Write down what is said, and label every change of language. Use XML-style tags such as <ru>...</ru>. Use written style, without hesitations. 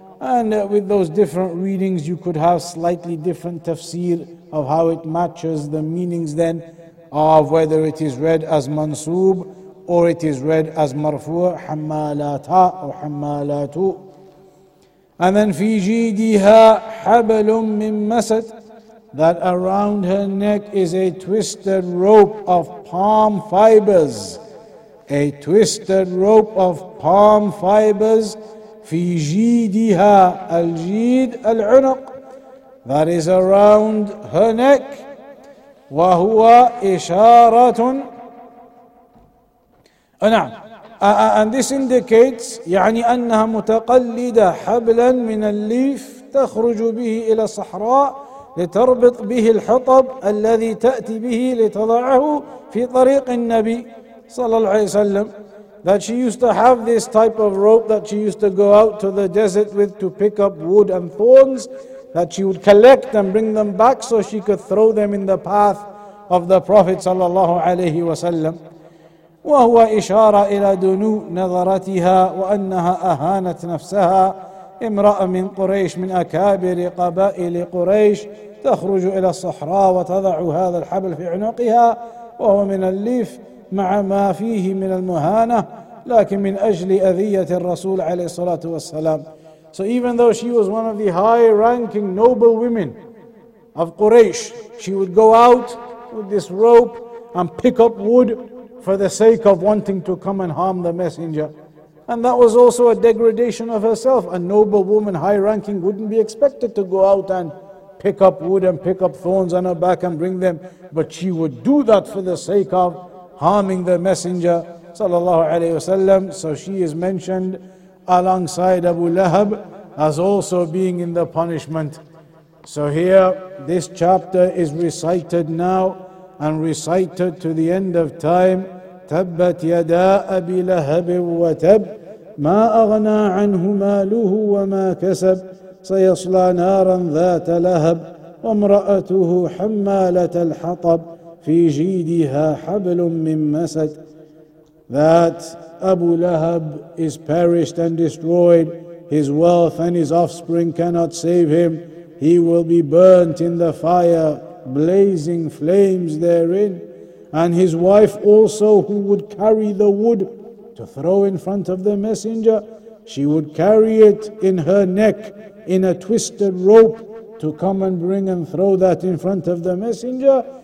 <en>And with those different readings, you could have slightly different tafsir of how it matches the meanings then of whether it is read as mansub or it is read as marfu', hammalata or hammalatu. And then</en> <ar>fi jidiha hablum min masad,</ar> <en>that around her neck is a twisted rope of palm fibers. A twisted rope of palm fibers.</en> <ar>في جيدها الجيد العنق,</ar> <en>that is around her neck,</en> <ar>وهو إشارة. نعم.</ar> <en>And this indicates</en> <ar>يعني أنها متقلدة حبلا من الليف تخرج به إلى الصحراء لتربط به الحطب الذي تأتي به لتضعه في طريق النبي صلى الله عليه وسلم.</ar> <en>That she used to have this type of rope that she used to go out to the desert with to pick up wood and thorns that she would collect and bring them back so she could throw them in the path of the Prophet صلى الله عليه وسلم.</en> <ar>وهو إشارة إلى دنو نظرتها وأنها أهانت نفسها امرأة من قريش من أكابر قبائل قريش تخرج إلى الصحراء وتضع هذا الحبل في عنقها وهو من الليف مع ما فيه من المهانة لكن من أجل أذية الرسول عليه الصلاة والسلام.</ar> <en>So even though she was one of the high ranking noble women of Quraysh, she would go out with this rope and pick up wood for the sake of wanting to come and harm the messenger. And that was also a degradation of herself. A noble woman, high ranking, wouldn't be expected to go out and pick up wood and pick up thorns on her back and bring them. But she would do that for the sake of harming the messenger, sallallahu alayhi wa sallam. So she is mentioned alongside Abu Lahab as also being in the punishment. So here, this chapter is recited now and recited to the end of time.</en> <ar>تبت يدا أبي لهب وتب ما أغنى عنه ماله وما كسب سيصلى نارا ذات لهب وامرأته حمالة الحطب في جيدها حبل من مسد.</ar> <en>That Abu Lahab is perished and destroyed. His wealth and his offspring cannot save him. He will be burnt in the fire, blazing flames therein, and his wife also, who would carry the wood to throw in front of the messenger, she would carry it in her neck in a twisted rope to come and bring and throw that in front of the messenger.</en>